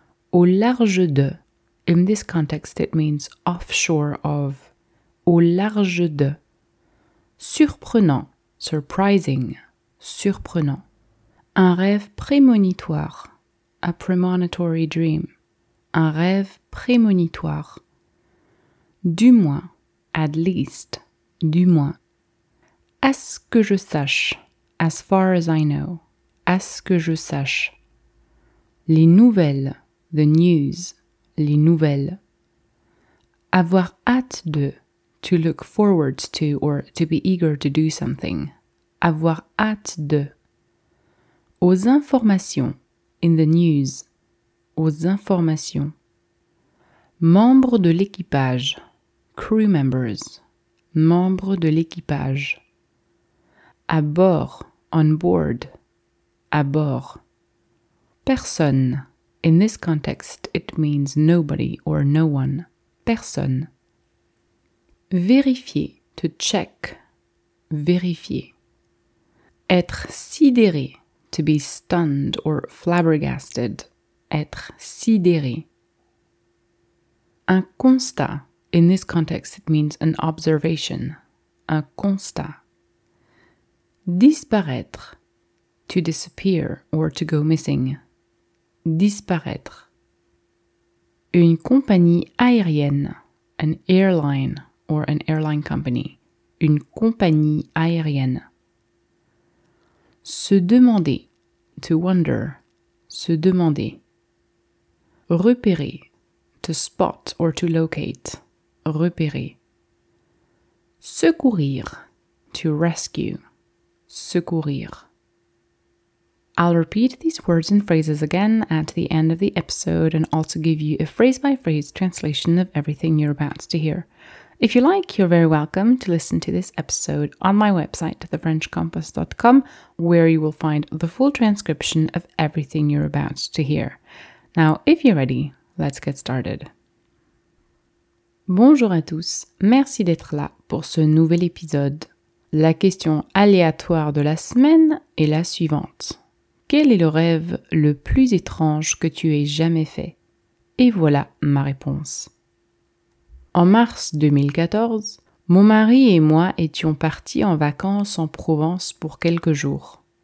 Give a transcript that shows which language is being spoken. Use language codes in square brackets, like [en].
[fr] Au large de, [en] in this context it means offshore of, [fr] au large de. Surprenant, [en] surprising, [fr] surprenant. Un rêve prémonitoire, [en] a premonitory dream, [fr] un rêve prémonitoire. Du moins, [en] at least, [fr] du moins. À ce que je sache, [en] as far as I know, [fr] à ce que je sache. Les nouvelles, [en] the news, [fr] les nouvelles. Avoir hâte de, [en] to look forward to or to be eager to do something. [fr] Avoir hâte de. Aux informations, [en] in the news, [fr] aux informations. Membre de l'équipage, [en] crew members, [fr] membre de l'équipage. À bord, [en] on board, [fr] à bord. Personne, [en] in this context it means nobody or no one, [fr] personne. Vérifier, [en] to check, [fr] vérifier. Être sidéré. [en] To be stunned or flabbergasted. [fr] Être sidéré. Un constat. [en] In this context, it means an observation. [fr] Un constat. Disparaître. [en] To disappear or to go missing. [fr] Disparaître. Une compagnie aérienne. [en] An airline or an airline company. [fr] Une compagnie aérienne. Se demander. [en] To wonder, [fr] se demander. Repérer, [en] to spot or to locate, [fr] repérer. Secourir, [en] to rescue, [fr] secourir. [en] I'll repeat these words and phrases again at the end of the episode and also give you a phrase-by-phrase translation of everything you're about to hear. If you like, you're very welcome to listen to this episode on my website, thefrenchcompass.com, where you will find the full transcription of everything you're about to hear. Now, if you're ready, let's get started. [fr] Bonjour à tous, merci d'être là pour ce nouvel épisode. La question aléatoire de la semaine est la suivante. Quel est le rêve le plus étrange que tu aies jamais fait? Et voilà ma réponse. En mars 2014, mon mari et moi étions partis en vacances en Provence pour quelques jours.